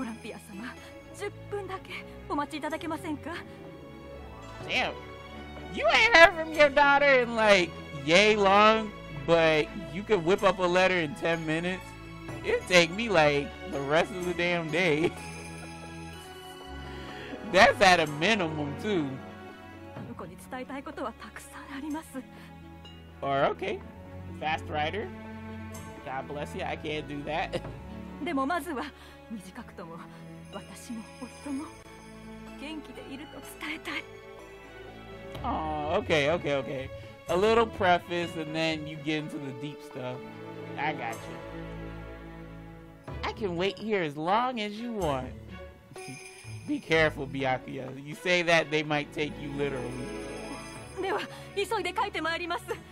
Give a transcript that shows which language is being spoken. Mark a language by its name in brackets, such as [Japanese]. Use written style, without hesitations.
[Japanese] オランピア様、10分だけお待ちいただけませんか? [English] Damn. You ain't heard from your daughter in like yay long, but you can whip up a letter in 10 minutes. It'd take me like the rest of the damn day. That's at a minimum too. [Japanese] ここに伝えたいことはたくさんあります。 [English] Or okay, fast rider. God bless you. I can't do that. [Japanese] でもまずは短くとも私も夫も元気でいると伝えたい。 [English] Oh, okay, okay, okay. A little preface and then you get into the deep stuff. I got you. I can wait here as long as you want. Be careful, Byakuya. You say that, they might take you literally. [Japanese] では、急いで帰ってまいります。